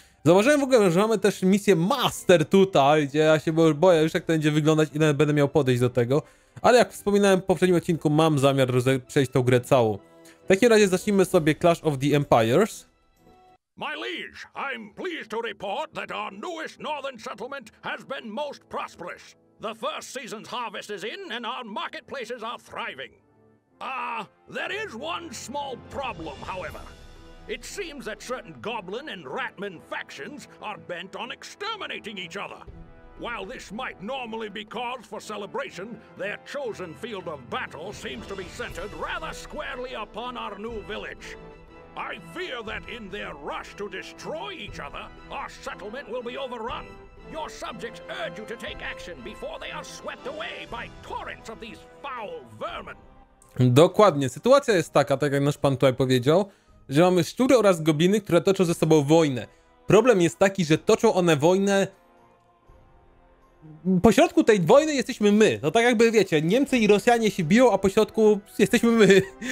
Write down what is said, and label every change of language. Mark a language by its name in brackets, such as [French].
[Polish] Zauważyłem w ogóle, że mamy też misję Master tutaj, gdzie ja się boję już jak to będzie wyglądać i nawet będę miał podejść do tego. Ale jak wspominałem w poprzednim odcinku, mam zamiar przejść tą grę całą. W takim razie zacznijmy sobie Clash of the Empires. [English] My liege, I'm pleased to report that our newest northern settlement has been most prosperous. The first season's harvest is in and our marketplaces are thriving. There is one small problem, however. It seems that certain goblin and ratman factions are bent on exterminating each other. While this might normally be cause for celebration, their chosen field of battle seems to be centered rather squarely upon our new village. I fear that in their rush to destroy each other, our settlement will be overrun. Your subjects urge you to take action before they are swept away by torrents of these foul vermin. [Polish] Dokładnie. Sytuacja jest taka, tak jak nasz pan tutaj powiedział, że mamy szczury oraz gobliny, które toczą ze sobą wojnę. Problem jest taki, że toczą one wojnę... Pośrodku tej wojny jesteśmy my. To tak jakby, wiecie, Niemcy i Rosjanie się biją, a pośrodku jesteśmy my.